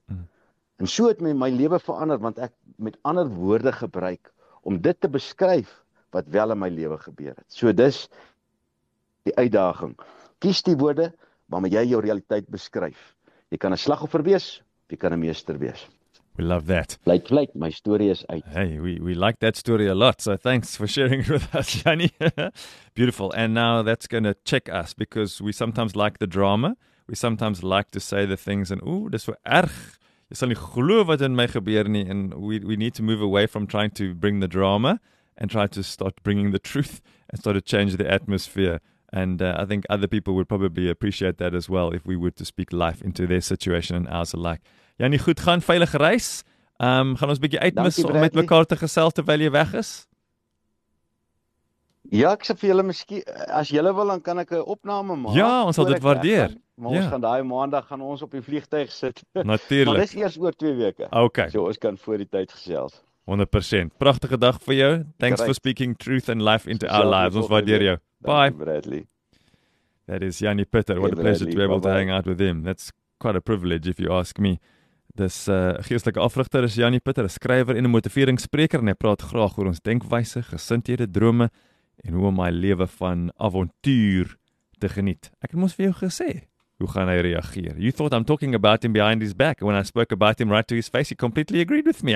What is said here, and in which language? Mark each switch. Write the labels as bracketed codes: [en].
[af] En so het my lewe verander want ek met ander woorde gebruik om dit te beskryf wat wel in my lewe gebeur het. So dis die uitdaging. Kies die woorde waarmee jy jou realiteit beskryf. Jy kan 'n slagoffer wees, jy kan 'n meester wees. [en] We love that. [af] Blyk, my storie is uit. [en] Hey, we like that story a lot. So thanks for sharing it with us, Jannie. Beautiful. And now that's going to check us because we sometimes like the drama. We sometimes like to say the things and ooh, [af] dis so erg. Jy sal nie glo wat in my gebeur nie. [en] And we need to move away from trying to bring the drama and try to start bringing the truth and start to change the atmosphere. And I think other people would probably appreciate that as well if we were to speak life into their situation and ours alike. [af] Jannie, goed gaan, veilig reis. Gaan ons 'n bietjie uitmis om met mekaar te gesels terwyl jy weg is? Ja, ek sê vir julle miskien as julle wil dan kan ek 'n opname maak. Ja, ons sal dit waardeer. Maar ons gaan daai maandag gaan ons op die vliegtuig sit. Natuurlik. Maar dis eers oor 2 weke. Okay. So ons kan voor die tyd gesels. 100%. Pragtige dag vir jou. [en] Thanks for speaking truth and life into our lives. [af] Ons waardeer jou. Bye. [en] Bradley. That is Jannie Pitter. What a pleasure to be able to hang out with him. That's quite a privilege if you ask me. [af] Dis geestelike afrigter is Jannie Pitter, 'n skrywer en 'n motiveringsspreker en hy praat graag oor ons denkwyse, gesindhede, drome en hoe om my lewe van avontuur te geniet. Ek het mos vir jou gesê, hoe gaan hy reageer? [en] You thought I'm talking about him behind his back and when I spoke about him right to his face, he completely agreed with me.